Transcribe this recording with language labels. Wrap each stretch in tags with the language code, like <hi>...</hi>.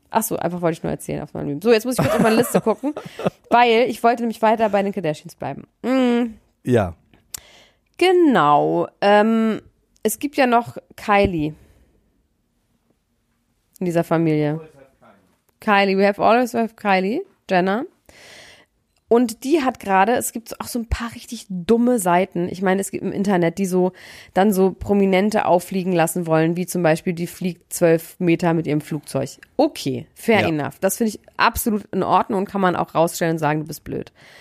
<de>Achso, einfach wollte ich nur erzählen auf meinem Leben. So, jetzt muss ich kurz auf meine Liste gucken, weil ich wollte nämlich weiter bei den Kardashians bleiben. Mhm. Ja. Genau, es gibt ja noch Kylie in dieser Familie.</de> <en>We always have Kylie, Jenner.</en> <de>Und die hat gerade, es gibt auch so ein paar richtig dumme Seiten. Ich meine, es gibt im Internet, die so dann so Prominente auffliegen lassen wollen, wie zum Beispiel, die fliegt 12 Meter mit ihrem Flugzeug.</de> <en>Okay, fair enough.</en> <de>Das finde ich absolut in Ordnung und kann man auch rausstellen und sagen, du bist blöd.</de>